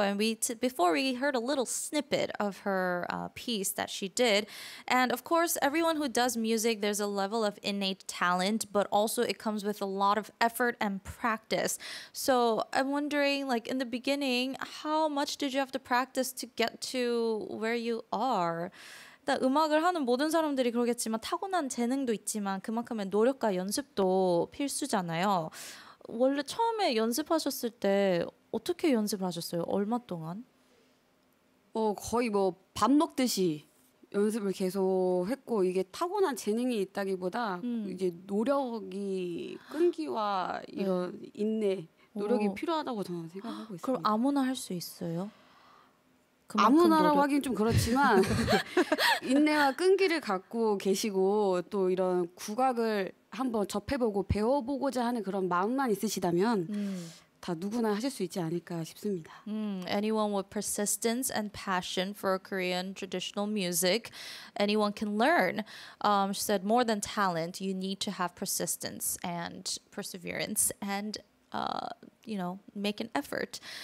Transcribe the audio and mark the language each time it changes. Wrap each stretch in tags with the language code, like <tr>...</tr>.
<en>And before we heard a little snippet of her piece that she did. And of course, everyone who does music, there's a level of innate talent, but also it comes with a lot of effort and practice. So I'm wondering, like in the beginning, how much did you have to practice to get to where you are?</en> <ko>음악을 하는 모든 사람들이 그러겠지만 타고난 재능도 있지만 그만큼의 노력과 연습도 필수잖아요. 원래 처음에 연습하셨을 때 어떻게 연습을 하셨어요? 얼마 동안? 거의 뭐 밥 먹듯이 연습을 계속 했고 이게 타고난 재능이 있다기보다 이제 노력이 끈기와 이런 인내, 노력이 필요하다고 저는 생각하고 있습니다. 그럼 아무나 할 수 있어요? 아무나라고 하긴 좀 그렇지만 인내와 끈기를 갖고 계시고 또 이런 국악을 한번 접해보고 배워보고자 하는 그런 마음만 있으시다면 다 누구나 하실 수 있지 않을까 싶습니다.</ko> <en>Anyone with persistence and passion for Korean traditional music, anyone can learn. She said more than talent, you need to have persistence and perseverance and you know, make an effort.</en>